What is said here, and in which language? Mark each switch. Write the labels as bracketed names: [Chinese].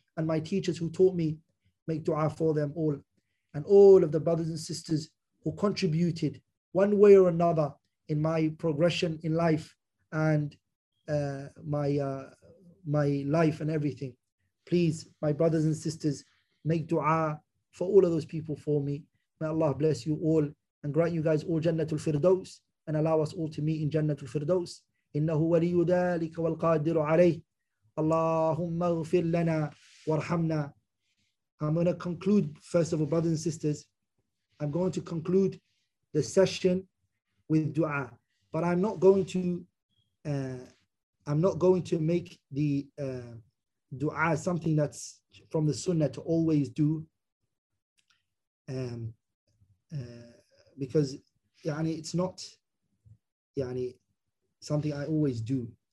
[English] And my teachers who taught me, make dua for them all. And all of the brothers and sisters who contributed one way or another in my progression in life and my life and everything. Please, my brothers and sisters, make dua for all of those people for me. May Allah bless you all and grant you guys all Jannatul Firdaus, and allow us all to meet in Jannatul Firdaus. [Arabic] إنه ولي ذلك والقادر عليه اللهم اغفر لنا وارحمنا. [English] I'm going to conclude, first of all, brothers and sisters, I'm going to conclude the session with dua, but I'm not going to make the dua something that's from the sunnah to always do, because يعني it's not يعني something I always do.